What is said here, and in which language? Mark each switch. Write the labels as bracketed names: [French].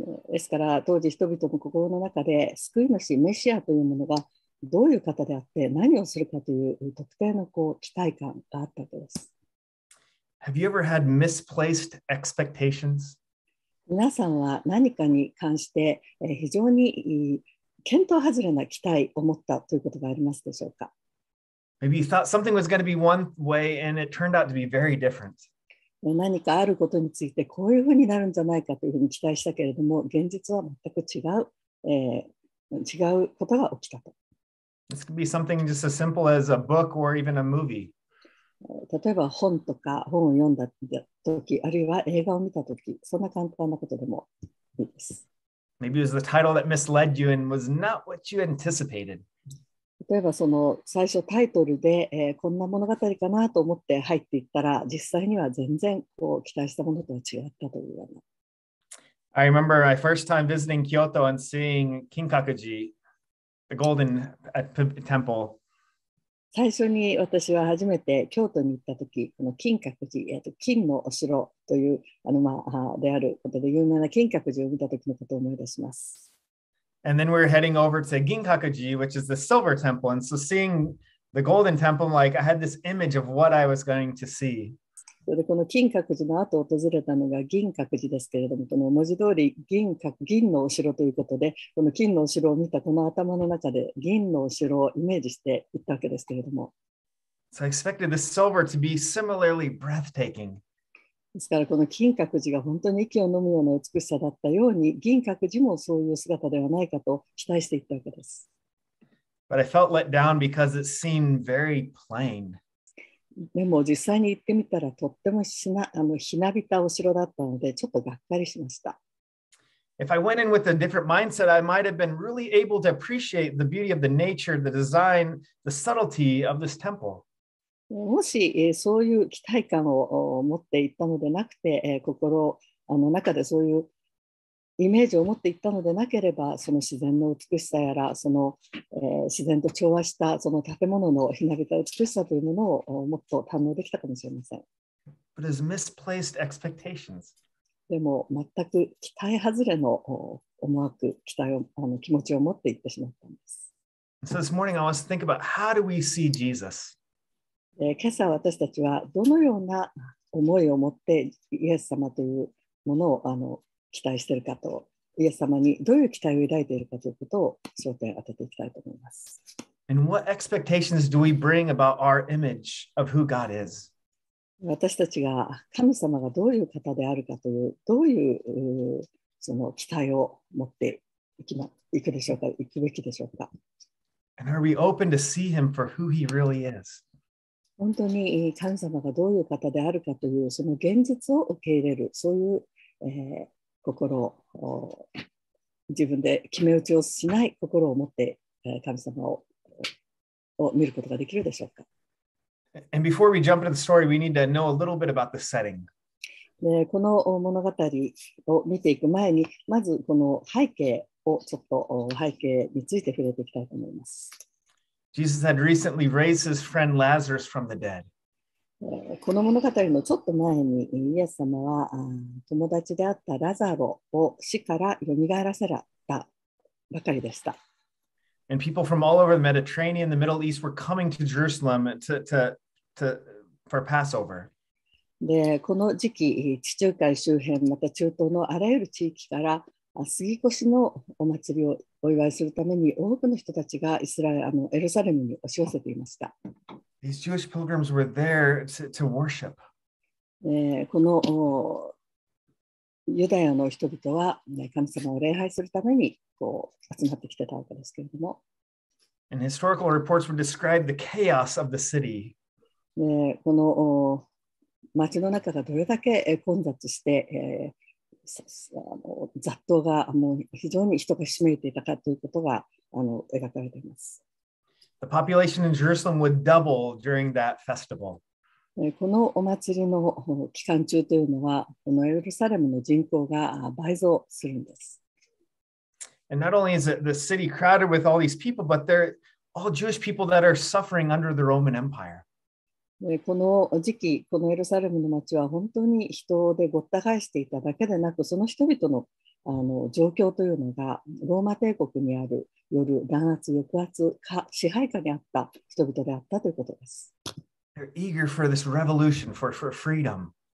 [Japanese] ですから当時人々の心の中で救い主メシアというものがどういう方であって何をするかという特定のこう期待感があったとです。 [English] Have you ever had misplaced expectations? [Japanese] 皆さんは何かに関して非常に見当外れな期待を持ったということがありますでしょうか? [English] Maybe you thought something was going to be one way and it turned out to be very different. [Japanese] 何かあることについてこういうふうになるんじゃないかというふうに期待したけれども、現実は全く違うことが起きたと。 [English] This could be something just as simple as a book or even a movie. [Japanese] 例えば本とか本を読んだ時、あるいは映画を見た時、そんな簡単なことでもいいです。 [English] Maybe it was the title that misled you and was not what you anticipated. [Japanese] 例えばその最初タイトルで、こんな物語かなと思って入っていったら実際には全然こう期待したものとは違ったというような。 [English] I remember my first time visiting Kyoto and seeing Kinkakuji, the golden temple. [Japanese] 最初に私は初めて京都に行った時、この金閣寺、金のお城というであることで有名な金閣寺を見た時のことを思い出します。 [English] And then we're heading over to Ginkakuji, which is the silver temple. And so seeing the golden temple, like I had this image of what I was going to see. [Japanese] でこの金閣寺の後を訪れたのが銀閣寺ですけれども、この文字通り銀閣、銀のお城ということで、この金のお城を見たこの頭の中で銀のお城をイメージしていったわけですけれども。 [English] So I expected the silver to be similarly breathtaking. [Japanese] ですからこの金閣寺が本当に息を呑むような美しさだったように、銀閣寺もそういう姿ではないかと期待していったわけです。 [English] But I felt let down because it seemed very plain. [Japanese] でも実際に行ってみたらとってもしなあのひなびたお城だったのでちょっとがっかりしました。 [English] If I went in with a different mindset, I might have been really able to appreciate the beauty of the nature, the design, the subtlety of this temple. [Japanese] もしそういう期待感を持っていったのでなくて、心あの中でそういうイメージを持っていったのでなければ、その自然の美しさやら、その、自然と調和したその建物のひなびた美しさというものをもっと堪能できたかもしれません。 [English] But it's misplaced expectations. [Japanese] でも、全く期待外れの思惑、期待をあの気持ちを持っていってしまったんです。 [English] So this morning I was thinking about how do we see Jesus? [Japanese] 今朝私たちはどのような思いを持ってイエス様というものをあの期待しているかと、イエス様にどういう期待を抱いているかということを焦点を当てていきたいと思います。 [English] And what expectations do we bring about our image of who God is? [Japanese] 私たちが神様がどういう方であるかという、どういうその期待を持っていきま、いくでしょうか、いくべきでしょうか。 [English] And are we open to see him for who he really is? [Japanese] 本当に神様がどういう方であるかという、その現実を受け入れる、そういう、心を自分で決め打ちをしない心を持って神様 を見ることができるでしょうか。 [English] And before we jump into the story, we need to know a little bit about the setting. [Japanese] でこの物語を見ていく前に、まずこの背景をちょっと背景について触れていきたいと思います。 [English] Jesus had recently raised his friend Lazarus from the dead. [Japanese] この物語のちょっと前にイエス様は友達であったラザロを死から蘇らせたばかりでした。 [English] And people from all over the Mediterranean and the Middle East were coming to Jerusalem to for Passover. [Japanese] で、この時期、地中海周辺、また中東のあらゆる地域から杉越のお祭りをお祝いするために多くの人たちがイスラエル、あのエルサレムに押し寄せていました。 [English] These Jewish pilgrims were there to worship. [Japanese] このユダヤの人々は、ね、神様を礼拝するためにこう集まってきてたわけですけれども。 [English] And historical reports would describe the chaos of the city. [Japanese] この町の中がどれだけ混雑して、雑踏がもう非常に人がひしめいていたかということがあの描かれています。 [English] The population in Jerusalem would double during that festival. [Japanese] このお祭りの期間中というのは、このエルサレムの人口が倍増するんです。 [English] And not only is it the city crowded with all these people, but they're all Jewish people that are suffering under the Roman Empire. [Japanese] この時期、このエルサレムの町は本当に人でごった返していただけでなく、その人々の、あの状況というのがローマ帝国にあるよる弾圧、抑圧か支配下にあった人々であったということです。 [English] They're eager for this revolution, for freedom.